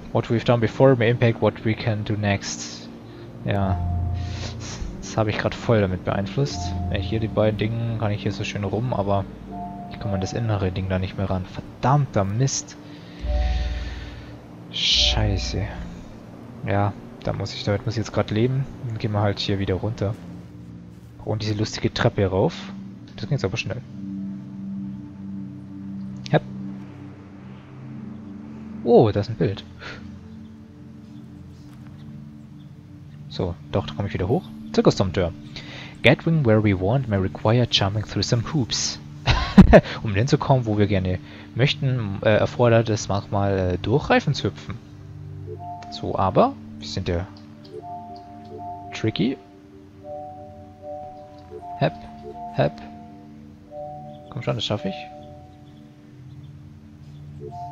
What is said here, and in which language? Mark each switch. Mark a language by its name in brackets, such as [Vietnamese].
[English] What we've done before may impact what we can do next. [German] Ja. Das habe ich gerade voll damit beeinflusst. Ja, hier die beiden Dinge kann ich hier so schön rum, aber ich komme an das innere Ding da nicht mehr ran. Verdammter Mist. Scheiße. Ja, da muss ich, damit muss ich jetzt gerade leben. Dann gehen wir halt hier wieder runter. Und diese lustige Treppe hier rauf. Das geht jetzt aber schnell. Oh, da ist ein Bild. So, doch, da komme ich wieder hoch. Zirkus zum Tür. [English] Getting where we want may require jumping through some hoops. [German] Um dahin zu kommen, wo wir gerne möchten, erfordert es manchmal durch Reifen zu hüpfen. So, aber, wir sind ja tricky. Hep, hep. Komm schon, das schaffe ich.